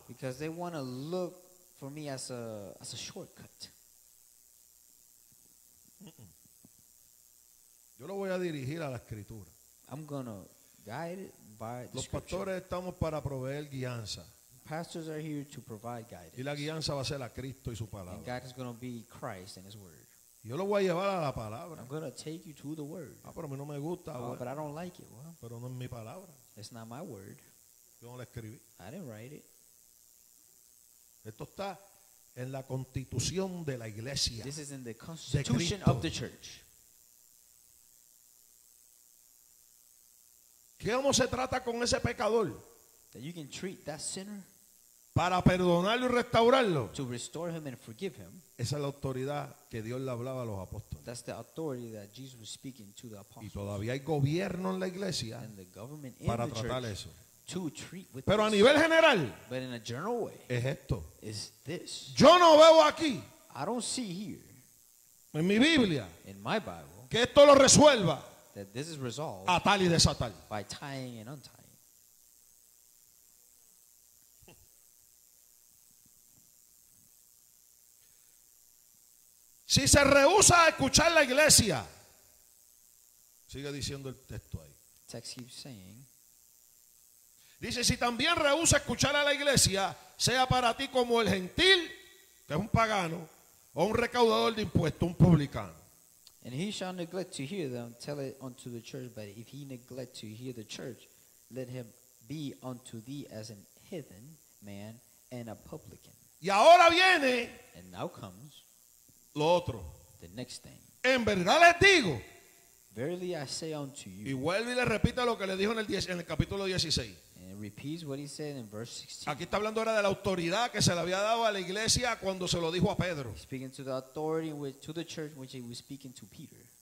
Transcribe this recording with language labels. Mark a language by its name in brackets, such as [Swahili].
[English] Because they want to look for me as a shortcut. Mm-mm. [Spanish] Yo lo voy a dirigir a la escritura. [English] I'm gonna guide by the [Spanish] Los pastores estamos para proveer guianza. [English] Pastors are here to provide guidance. [Spanish] Y la guianza va a ser a Cristo y su palabra. [English] And God is gonna be Christ and His word. [Spanish] Yo lo voy a llevar a la palabra. [English] I'm gonna take you to the word. [Spanish] Ah, pero a mí no me gusta. [English] Oh, but I don't like it. Well, [Spanish] pero no es mi palabra. [English] It's not my word. [Spanish] Yo no la escribí. [English] I didn't write it. [Spanish] Esto está en la constitución de la iglesia. [English] This is in the constitution of the church. [Spanish] ¿Qué cómo se trata con ese pecador? [English] That you can treat that sinner. [Spanish] Para perdonarlo y restaurarlo. [English] To restore him and forgive him. [Spanish] Esa es la autoridad que Dios le hablaba a los apóstoles. [English] That's the authority that Jesus was speaking to the apostles. [Spanish] Y todavía hay gobierno en la iglesia [English] and the government in [Spanish] para [English] the church [Spanish] tratar eso. [English] To treat with [Spanish] Pero a nivel general, [English] but in a general way, [Spanish] es esto. [English] Is this. [Spanish] Yo no veo aquí. [English] I don't see here. [Spanish] En mi Biblia. [English] In my Bible. [Spanish] Que esto lo resuelva. [English] That this is resolved. [Spanish] A tal y desatal. [English] By tying and untying. [Spanish] Si se rehúsa a escuchar la iglesia, sigue diciendo el texto ahí. [English] Text keeps saying, [Spanish] dice, si también rehúsa escuchar a la iglesia, sea para ti como el gentil, que es un pagano, o un recaudador de impuestos, un publicano. [English] And he shall neglect to hear them, tell it unto the church, but if he neglect to hear the church, let him be unto thee as an heathen man and a publican. [Spanish] Y ahora viene. [English] And now comes. [Spanish] Lo otro. [English] The next thing. [Spanish] En verdad les digo. [English] Verily I say unto you. [Spanish] Y vuelve y le repite lo que le dijo en el capítulo 16. [English] And repeats what he said in verse 16. [Spanish] Aquí está hablando ahora de la autoridad que se le había dado a la iglesia cuando se lo dijo a Pedro. [English] Speaking to the authority with, to the church which he was speaking to Peter.